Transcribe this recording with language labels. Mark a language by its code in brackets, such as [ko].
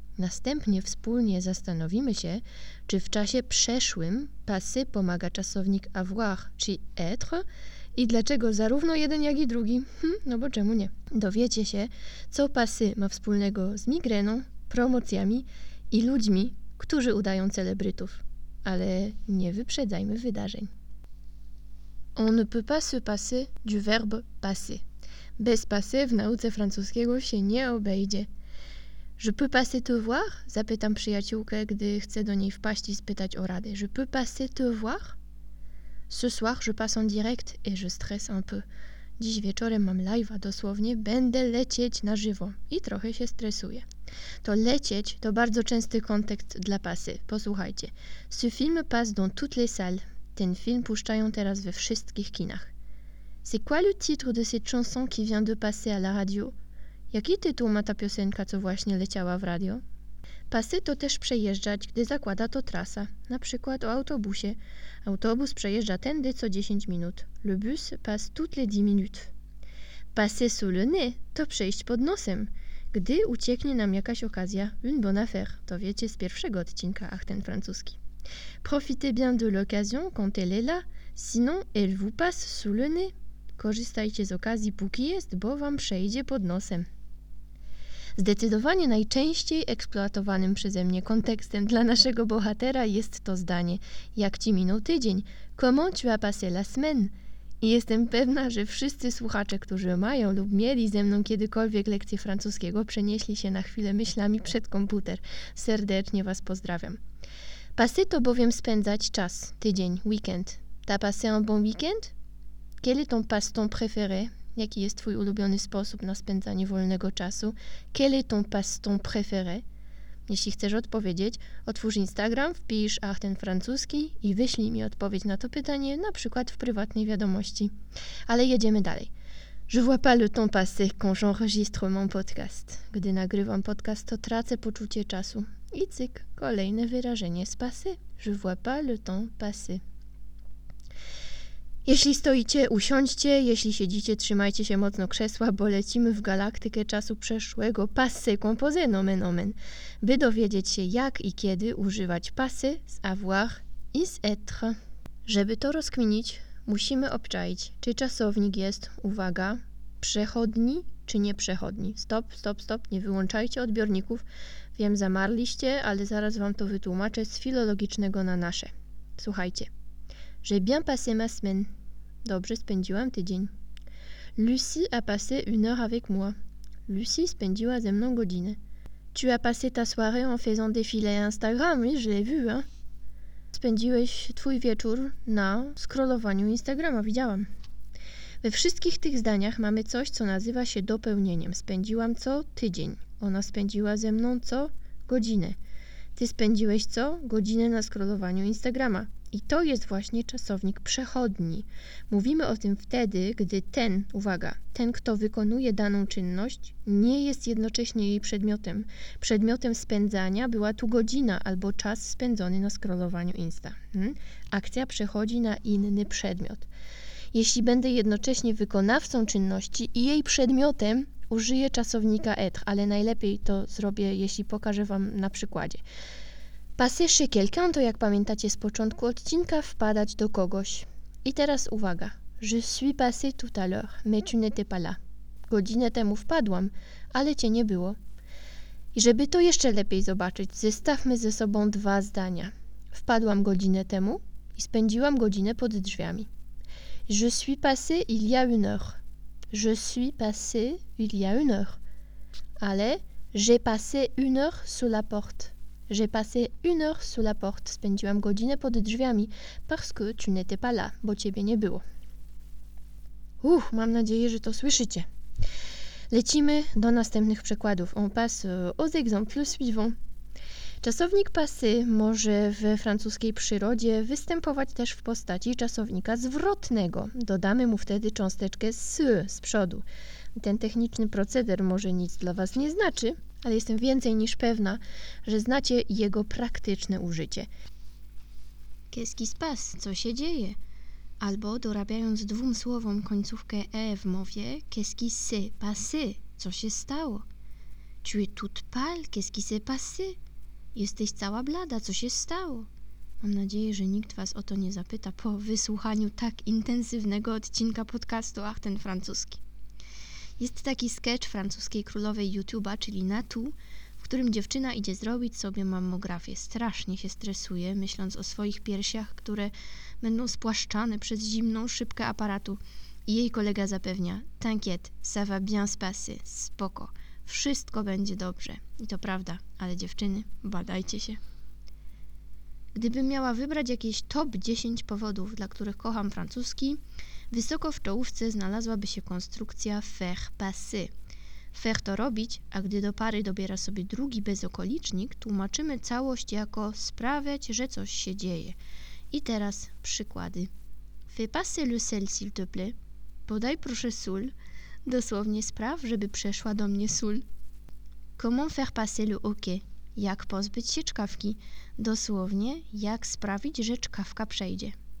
[pl] Następnie wspólnie zastanowimy się, czy w czasie przeszłym passé pomaga czasownik avoir czy être i dlaczego zarówno jeden jak i drugi. No bo czemu nie? Dowiecie się, co passé ma wspólnego z migreną, promocjami i ludźmi, którzy udają celebrytów. Ale nie wyprzedzajmy wydarzeń. [fr] On ne peut pas se passer du verbe passer. [pl] Bez passé w nauce francuskiego się nie obejdzie. [fr] Je peux passer te voir? [pl] Zapytam przyjaciółkę, gdy chcę do niej wpaść i spytać o radę. [fr] Je peux passer te voir? Ce soir je passe en direct et je stresse un peu. [pl] Dziś wieczorem mam live'a, dosłownie będę lecieć na żywo i trochę się stresuję. To lecieć to bardzo częsty kontekst dla passé. Posłuchajcie. [fr] Ce film passe dans toutes les salles. [pl] Ten film puszczają teraz we wszystkich kinach. [fr] C'est quoi le titre de cette chanson qui vient de passer à la radio? [pl] Jaki tytuł ma ta piosenka, co właśnie leciała w radio? Passer to też przejeżdżać, gdy zakłada to trasa. Na przykład o autobusie. Autobus przejeżdża tędy co 10 minut. [fr] Le bus passe toutes les 10 minutes. Passer sous le nez [pl] to przejść pod nosem, gdy ucieknie nam jakaś okazja. [fr] Une bonne affaire, [pl] to wiecie z pierwszego odcinka Ach, ten francuski. [fr] Profitez bien de l'occasion quand elle est là, sinon elle vous passe sous le nez. [pl] Korzystajcie z okazji, póki jest, bo wam przejdzie pod nosem. Zdecydowanie najczęściej eksploatowanym przeze mnie kontekstem dla naszego bohatera jest to zdanie. Jak ci minął tydzień? [fr] Comment tu as passé la semaine? [pl] I jestem pewna, że wszyscy słuchacze, którzy mają lub mieli ze mną kiedykolwiek lekcję francuskiego, przenieśli się na chwilę myślami przed komputer. Serdecznie was pozdrawiam. Passé to bowiem spędzać czas, tydzień, weekend. [fr] T'as passé un bon weekend? Quel est ton passe-temps préféré? [pl] Jaki jest twój ulubiony sposób na spędzanie wolnego czasu? [fr] Quel est ton passe-temps préféré? [pl] Jeśli chcesz odpowiedzieć, otwórz Instagram, wpisz Ach, ten francuski i wyślij mi odpowiedź na to pytanie, na przykład w prywatnej wiadomości. Ale jedziemy dalej. [fr] Je vois pas le temps passer quand j'enregistre mon podcast. [pl] Gdy nagrywam podcast, to tracę poczucie czasu. I cyk, kolejne wyrażenie z passé. [fr] Je vois pas le temps passer. [pl] Jeśli stoicie, usiądźcie, jeśli siedzicie, trzymajcie się mocno krzesła, bo lecimy w galaktykę czasu przeszłego. Passé composé, nomen omen. By dowiedzieć się, jak i kiedy używać passé z avoir i z être. Żeby to rozkminić, musimy obczaić, czy czasownik jest, uwaga, przechodni czy nieprzechodni. Stop, stop, stop, nie wyłączajcie odbiorników. Wiem, zamarliście, ale zaraz wam to wytłumaczę z filologicznego na nasze. Słuchajcie. [fr] J'ai bien passé ma semaine. [pl] Dobrze spędziłam tydzień. [fr] Lucie a passé une heure avec moi. [pl] Lucie spędziła ze mną godzinę. [fr] Tu as passé ta soirée en faisant défiler Instagram. Oui, je l'ai vu, hein. [pl] Spędziłeś twój wieczór na scrollowaniu Instagrama, widziałam. We wszystkich tych zdaniach mamy coś, co nazywa się dopełnieniem. Spędziłam co tydzień. Ona spędziła ze mną co godzinę. Ty spędziłeś co godzinę na scrollowaniu Instagrama. I to jest właśnie czasownik przechodni. Mówimy o tym wtedy, gdy ten, uwaga, ten, kto wykonuje daną czynność, nie jest jednocześnie jej przedmiotem. Przedmiotem spędzania była tu godzina albo czas spędzony na scrollowaniu Insta. Akcja przechodzi na inny przedmiot. Jeśli będę jednocześnie wykonawcą czynności i jej przedmiotem, użyję czasownika être, ale najlepiej to zrobię, jeśli pokażę wam na przykładzie. [fr] Passer chez quelqu'un [pl] to, jak pamiętacie z początku odcinka, wpadać do kogoś. I teraz uwaga. [fr] Je suis passé tout à l'heure, mais tu n'étais pas là. [pl] Godzinę temu wpadłam, ale cię nie było. I żeby to jeszcze lepiej zobaczyć, zestawmy ze sobą dwa zdania. Wpadłam godzinę temu i spędziłam godzinę pod drzwiami. [fr] Je suis passé il y a une heure. Je suis passé il y a une heure. [pl] Ale [fr] j'ai passé une heure sous la porte. J'ai passé une heure sous la porte. [pl] Spędziłam godzinę pod drzwiami. [fr] Parce que tu n'étais pas là. [pl] Bo ciebie nie było. Mam nadzieję, że to słyszycie. Lecimy do następnych przykładów. [fr] On passe aux exemples suivants. [pl] Czasownik passé może we francuskiej przyrodzie występować też w postaci czasownika zwrotnego. Dodamy mu wtedy cząsteczkę z przodu. Ten techniczny proceder może nic dla Was nie znaczy, ale jestem więcej niż pewna, że znacie jego praktyczne użycie. [fr] Qu'est-ce qui se passe? [pl] Co się dzieje? Albo dorabiając dwóm słowom końcówkę e w mowie, [fr] qu'est-ce qui se passe? [pl] Co się stało? [fr] Tu es toute pâle, qu'est-ce qui se passe? [pl] Jesteś cała blada, co się stało? Mam nadzieję, że nikt Was o to nie zapyta po wysłuchaniu tak intensywnego odcinka podcastu Ach, ten francuski. Jest taki sketch francuskiej królowej YouTube'a, czyli Natu, w którym dziewczyna idzie zrobić sobie mammografię. Strasznie się stresuje, myśląc o swoich piersiach, które będą spłaszczane przez zimną szybkę aparatu. I jej kolega zapewnia: [fr] t'inquiète, ça va bien se passer, [pl] spoko. Wszystko będzie dobrze. I to prawda, ale dziewczyny, badajcie się. Gdybym miała wybrać jakieś top 10 powodów, dla których kocham francuski, wysoko w czołówce znalazłaby się konstrukcja faire passer. Faire to robić, a gdy do pary dobiera sobie drugi bezokolicznik, tłumaczymy całość jako sprawiać, że coś się dzieje. I teraz przykłady. [fr] Fais passer le sel, s'il te plaît. [pl] Podaj proszę sól. Dosłownie spraw, żeby przeszła do mnie sól. [fr] Comment faire passer le hockey? [pl] Jak pozbyć się czkawki? Dosłownie, jak sprawić, że czkawka przejdzie.